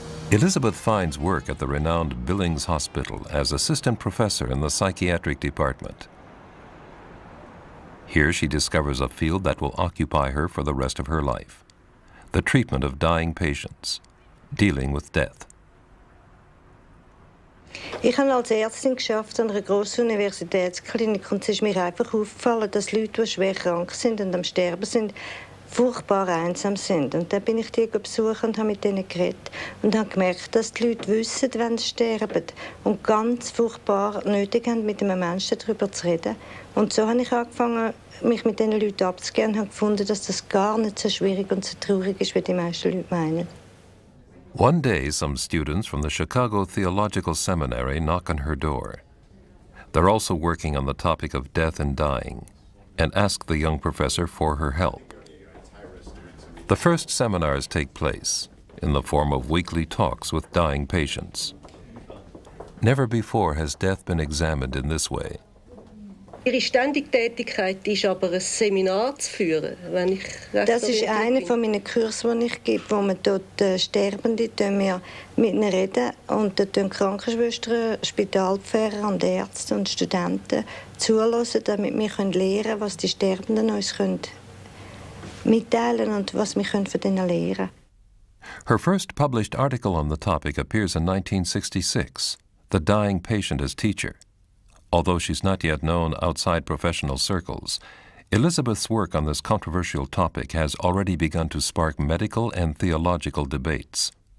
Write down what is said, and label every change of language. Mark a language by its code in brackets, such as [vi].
[en] Elisabeth finds work at the renowned Billings Hospital as assistant professor in the psychiatric department. Here she discovers a field that will occupy her for the rest of her life: the treatment of dying patients, dealing with death. [de] Ich habe als Ärztin geschafft an einer grossen Universitätsklinik und es ist mir einfach aufgefallen, dass Leute, die schwer krank sind und am Sterben sind, furchtbar einsam sind. Und dann bin ich die besucht und habe mit ihnen geredet und habe gemerkt, dass die Leute wissen, wenn sie sterben und ganz furchtbar nötig haben, mit einem Menschen darüber zu reden. Und so habe ich angefangen, mich mit diesen Leuten abzugeben und habe gefunden, dass das gar nicht so schwierig und so traurig ist, wie die meisten Leute meinen. [en] One day, some students from the Chicago Theological Seminary knock on her door. They're also working on the topic of death and dying, and ask the young professor for her help. The first seminars take place in the form of weekly talks with dying patients. Never before has death been examined in this way. [de] Ihre ständige Tätigkeit ist aber, ein Seminar zu führen, wenn ich recht. Das ist einer von meinen Kursen, die ich gebe, wo wir dort Sterbende mit ihnen reden. Und dort tun Krankenschwestern, Spitalpfarrer und Ärzte und Studenten zuhören, damit wir lernen können, was die Sterbenden uns mitteilen und was wir von ihnen lernen können. [en] Her first published article on the topic appears in 1966, The Dying Patient as Teacher. Although she's not yet known outside professional circles, Elisabeth's work on this controversial topic has already begun to spark medical and theological debates.